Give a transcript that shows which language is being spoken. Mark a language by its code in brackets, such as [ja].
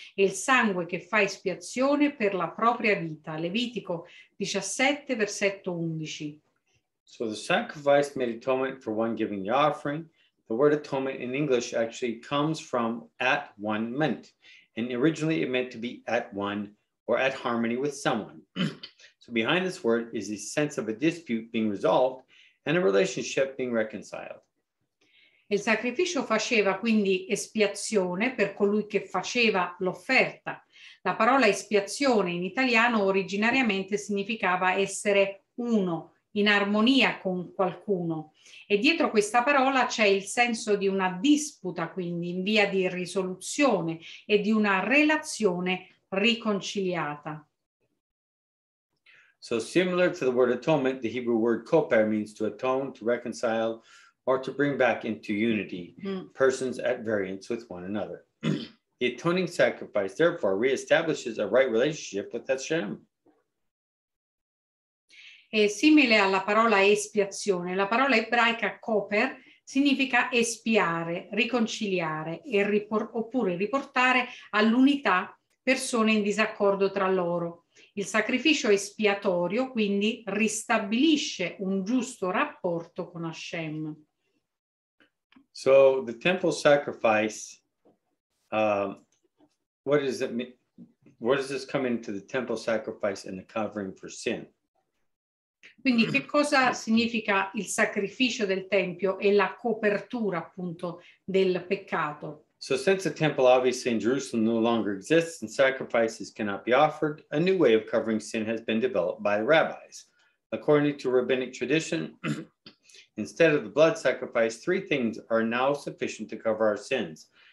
[it] È il sangue che fa espiazione per la propria vita. Levitico 17, versetto 11. [en] So the sacrifice made atonement for one giving the offering. The word atonement in English actually comes from at one meant. And originally it meant to be at one or at harmony with someone. So behind this word is the sense of a dispute being resolved and a relationship being reconciled. [it] Il sacrificio faceva quindi espiazione per colui che faceva l'offerta. La parola espiazione in italiano originariamente significava essere uno, in armonia con qualcuno. E dietro questa parola c'è il senso di una disputa, quindi in via di risoluzione e di una relazione riconciliata. [en] So similar to the word atonement, the Hebrew word koper means to atone, to reconcile, or to bring back into unity persons at variance with one another. The atoning sacrifice, therefore, reestablishes a right relationship with Hashem. [it] È simile alla parola espiazione. La parola ebraica koper significa espiare, riconciliare e oppure riportare all'unità persone in disaccordo tra loro. Il sacrificio espiatorio, quindi, ristabilisce un giusto rapporto con Hashem. [en] So, the temple sacrifice, what does it mean? Where does this come into the temple sacrifice and the covering for sin? [it] Quindi, che cosa significa il sacrificio del Tempio e la copertura, appunto, del peccato? [en] So since the temple obviously in Jerusalem no longer exists and sacrifices cannot be offered, a new way of covering sin has been developed by the rabbis. According to rabbinic tradition, instead of the blood sacrifice, three things are now sufficient to cover our sins.